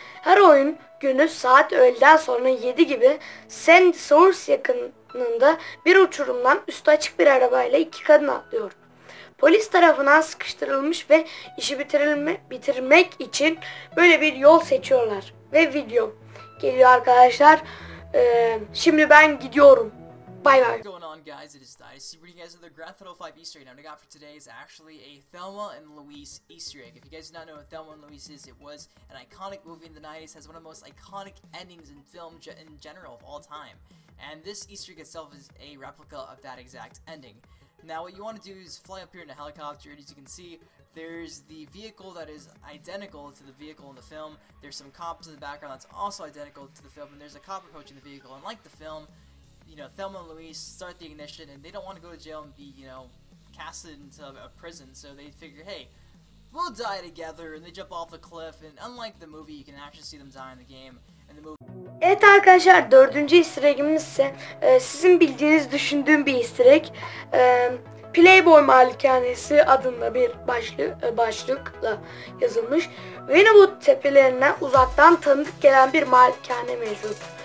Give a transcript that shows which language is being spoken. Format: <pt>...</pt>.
<tr>Her oyun günü saat öğleden sonra 7 gibi Sandy Shores yakınında bir uçurumdan üstü açık bir arabayla iki kadın atlıyor. Polis tarafından sıkıştırılmış ve işi bitirmek için böyle bir yol seçiyorlar. Ve video geliyor arkadaşlar. Şimdi ben gidiyorum.</tr> <en>Bye bye. Guys, it is Dice. We're bringing you guys another Grand Theft Auto 5 Easter egg. Now, what I got for today is actually a Thelma and Louise Easter egg. If you guys do not know what Thelma and Louise is, it was an iconic movie in the 90s, has one of the most iconic endings in film in general of all time. And this Easter egg itself is a replica of that exact ending. Now, what you want to do is fly up here in a helicopter, and as you can see, there's the vehicle that is identical to the vehicle in the film. There's some cops in the background that's also identical to the film, and there's a cop approaching the vehicle. And like the film, you know, Thelma and Louise start the ignition and they don't want to go to jail and be, you know, casted into a prison. So they figure, hey, we'll die together, and they jump off the cliff, and unlike the movie, you can actually see them die in the game, and the movie...</en> <tr>Evet arkadaşlar, dördüncü easter egg'imiz ise sizin bildiğiniz, düşündüğüm bir easter egg. Playboy Malikanesi adında bir başlıkla yazılmış. Winnowood tepelerinden uzaktan tanıdık gelen bir malikane mevcut.</tr>